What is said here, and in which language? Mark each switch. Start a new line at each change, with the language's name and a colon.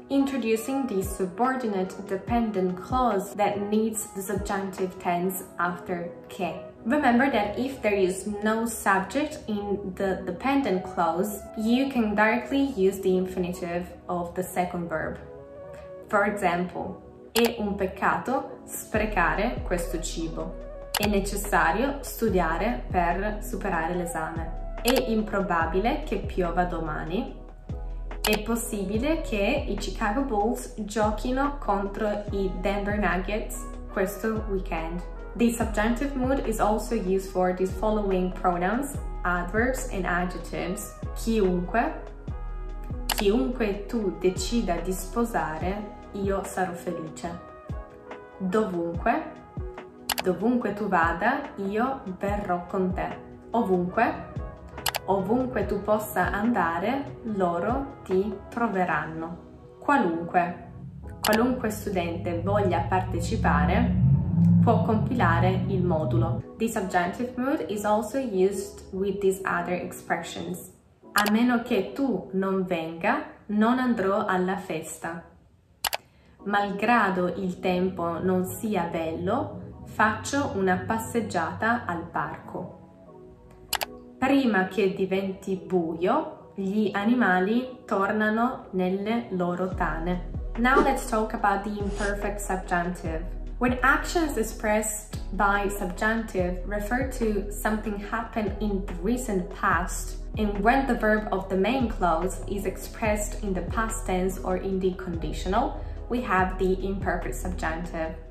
English: Introducing the subordinate dependent clause that needs the subjunctive tense after che. Remember that if there is no subject in the dependent clause, you can directly use the infinitive of the second verb. For example,
Italian: è un peccato sprecare questo cibo. È necessario studiare per superare l'esame. È improbabile che piova domani. È possibile che i Chicago Bulls giochino contro i Denver Nuggets questo weekend.
English: The subjunctive mood is also used for these following pronouns, adverbs and adjectives.
Italian: Chiunque. Chiunque tu decida di sposare, io sarò felice. Dovunque. Dovunque tu vada, io verrò con te. Ovunque. Ovunque tu possa andare, loro ti troveranno. Qualunque. Qualunque studente voglia partecipare, può compilare il modulo.
English: The subjunctive mood is also used with these other expressions.
Italian: A meno che tu non venga, non andrò alla festa. Malgrado il tempo non sia bello, faccio una passeggiata al parco. Prima che diventi buio, gli animali tornano nelle loro tane.
English: Now let's talk about the imperfect subjunctive. When actions expressed by subjunctive refer to something happened in the recent past, and when the verb of the main clause is expressed in the past tense or in the conditional, we have the imperfect subjunctive.